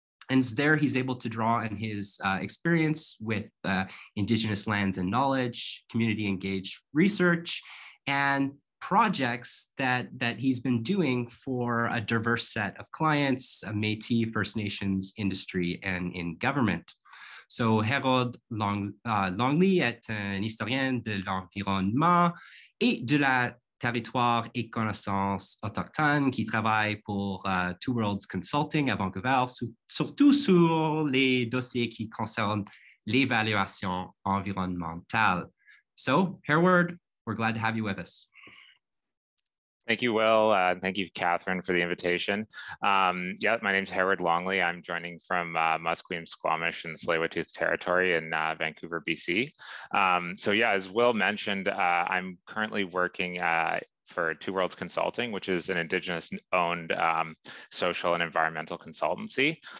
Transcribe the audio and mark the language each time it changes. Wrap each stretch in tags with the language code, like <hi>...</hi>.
<en>And there he's able to draw on his experience with Indigenous lands and knowledge, community-engaged research, and projects that he's been doing for a diverse set of clients, Métis, First Nations, industry, and in government.</en> <fr>So Hereward Longley est un historien de l'environnement et de la territoire et connaissance autochtone qui travaille pour Two Worlds Consulting à Vancouver, surtout sur les dossiers qui concernent l'évaluation environnementale.</fr> <en>So, Hereward, we're glad to have you with us. Thank you, Will. Thank you, Catherine, for the invitation. Yeah, my name is Hereward Longley. I'm joining from Musqueam, Squamish, and Tsleil-Waututh territory in Vancouver, BC. As Will mentioned, I'm currently working for Two Worlds Consulting, which is an Indigenous-owned social and environmental consultancy.</en>